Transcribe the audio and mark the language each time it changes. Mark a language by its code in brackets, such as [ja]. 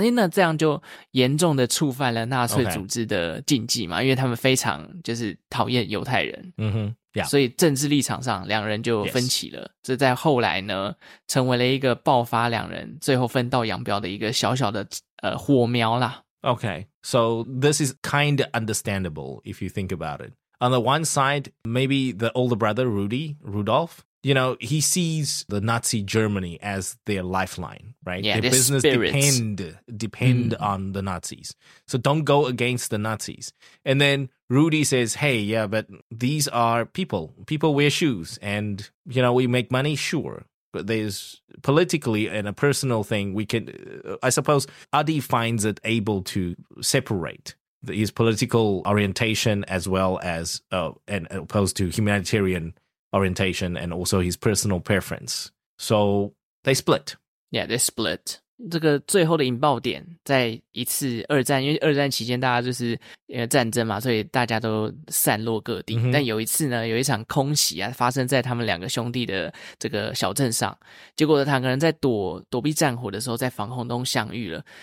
[zh] 那这样就严重的触犯了纳粹组织的禁忌嘛，因为他们非常就是讨厌犹太人。 [en] Yeah. [zh] 所以政治立场上两人就分歧了。这在后来呢成为了一个爆发两人最后分道扬镳的一个小小的火苗啦。 [en] Okay, so this is kind of understandable if you think about it. On the one side, maybe the older brother, Rudolf, you know, he sees the Nazi Germany as their lifeline, right? Yeah, their business、 spirits. depend、mm. on the Nazis. So don't go against the Nazis. And then Rudy says, hey, yeah, but these are people. People wear shoes and, you know, we make money, sure. But there's politically and a personal thing we can, I suppose Adi finds it able to separate his political orientation as well as, and opposed to humanitarian orientation and also his personal preference. So they split. Yeah, they split. [zh] 这个最后的引爆点在一次二战，因为二战期间大家就是因为战争嘛，所以大家都散落各地。但有一次呢，有一场空袭啊，发生在他们两个兄弟的这个小镇上。结果两个人在躲避战火的时候，在防空洞相遇了。